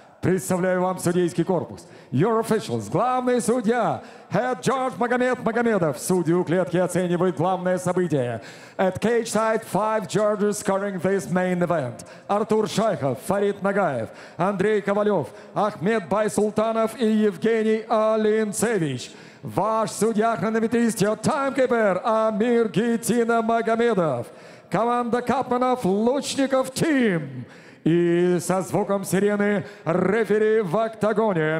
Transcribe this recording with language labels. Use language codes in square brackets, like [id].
[ru] Представляю вам судейский корпус. [en] Your officials, [ru] главный судья, [en] head judge [ru] Магомед Магомедов. Судьи у клетки оценивают главное событие. [en] At cage side, five judges scoring this main event. [ru] Артур Шайхов, Фарид Нагаев, Андрей Ковалев, Ахмед Байсултанов и Евгений Алинцевич. Ваш судья-хронометрист, [en] your timekeeper, [ru] Амир Гитина Магомедов. Команда капманов, лучников, team. И со звуком сирены рефери в октагоне.